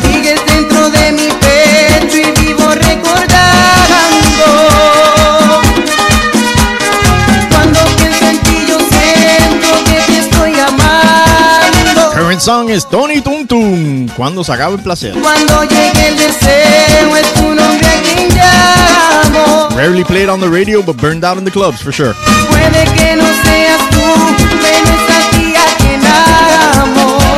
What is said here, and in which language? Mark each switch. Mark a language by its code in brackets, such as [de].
[es] Sigues dentro de mi pecho y vivo recordando. Cuando pienso en ti, yo siento que te estoy amando. [en] Current song is Tony Tum Tum. Cuando se acaba el placer. [es] Cuando llegue el deseo, es tu nombre a quien llamo. [en] Rarely played on the radio, but burned out in the clubs for sure. [es] Puede que no seas tú, pero es a ti a quien amo.